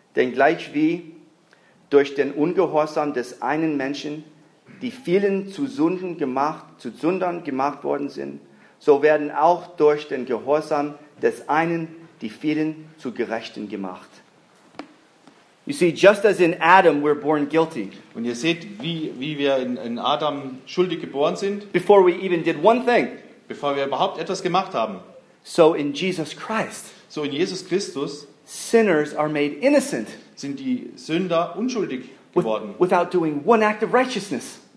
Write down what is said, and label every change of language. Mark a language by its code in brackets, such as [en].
[de] Denn gleich wie durch den Ungehorsam des einen Menschen die vielen zu Sündern gemacht worden sind, so werden auch durch den Gehorsam des einen die vielen zu Gerechten gemacht. [en] You see, just as in Adam we're born guilty. [de] Und ihr seht, wie wir in Adam schuldig geboren sind. [en] Before we even did one thing. [de] Bevor wir überhaupt etwas gemacht haben. [en] So in Jesus Christ. [de] So in Jesus Christus. [en] Sinners are made innocent. [de] Sind die Sünder unschuldig geworden. [en] Without doing one act of righteousness.